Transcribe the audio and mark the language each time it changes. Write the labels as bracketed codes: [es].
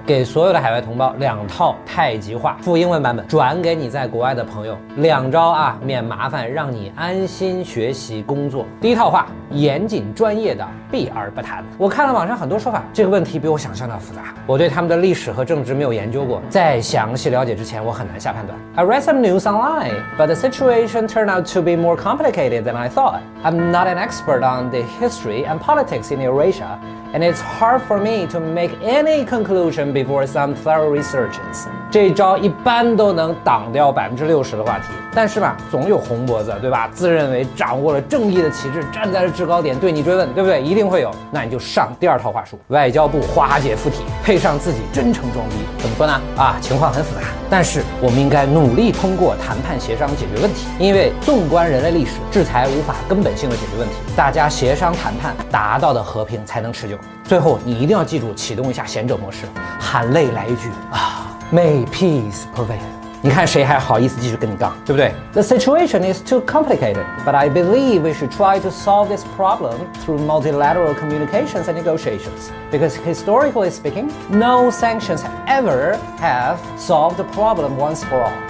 [zh] 给所有的海外同胞两套太极画，附英文版本，转给你在国外的朋友。两招啊，免麻烦，让你安心学习工作。第一套话，严谨专业的，避而不谈。我看了网上很多说法，这个问题比我想象的复杂。我对他们的历史和政治没有研究过，在详细了解之前，我很难下判断。 [en] I read some news online. But the situation turned out to be more complicated than I thought. I'm not an expert on the history and politics in Eurasia, and it's hard for me to make any conclusion before some thorough research. [zh] 这招一般都能挡掉60%的话题，但是吧，总有红脖子，对吧？自认为掌握了正义的旗帜，站在了制高点，对你追问，对不对？一定会有。那你就上第二套话术，外交部花姐附体，配上自己真诚装逼。怎么说呢？啊，情况很复杂，但是我们应该努力通过谈判协商解决问题，因为纵观人类历史，制裁无法根本性的解决问题，大家协商谈判达到的和平才能持久。最后你一定要记住启动一下贤者模式，含泪来一句啊， [en] May peace prevail。 [zh] 你看谁还好意思继续跟你杠，对不对？ [en] The situation is too complicated, but I believe we should try to solve this problem through multilateral communications and negotiations. Because historically speaking, no sanctions ever have solved the problem once for all.